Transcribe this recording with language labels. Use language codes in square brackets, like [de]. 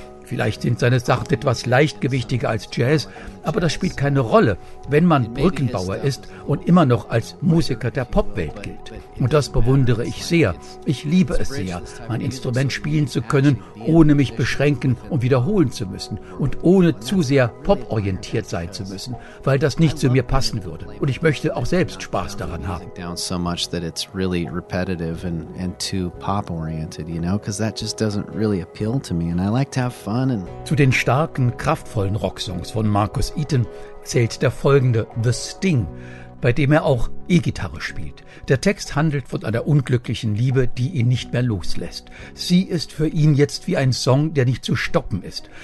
[de] Vielleicht sind seine Sachen etwas leichtgewichtiger als Jazz, aber das spielt keine Rolle, wenn man Brückenbauer ist und immer noch als Musiker der Popwelt gilt. Und das bewundere ich sehr. Ich liebe es sehr, mein Instrument spielen zu können, ohne mich beschränken und wiederholen zu müssen und ohne zu sehr poporientiert sein zu müssen, weil das nicht zu mir passen würde. Und ich möchte auch selbst Spaß daran haben. [en] So much that it's really repetitive and too pop-oriented, you know, because that just doesn't really appeal to me and I like to have fun. [de] Zu den starken, kraftvollen Rocksongs von Marcus Eaton zählt der folgende The Sting, bei dem er auch E-Gitarre spielt. Der Text handelt von einer unglücklichen Liebe, die ihn nicht mehr loslässt. Sie ist für ihn jetzt wie ein Song, der nicht zu stoppen ist.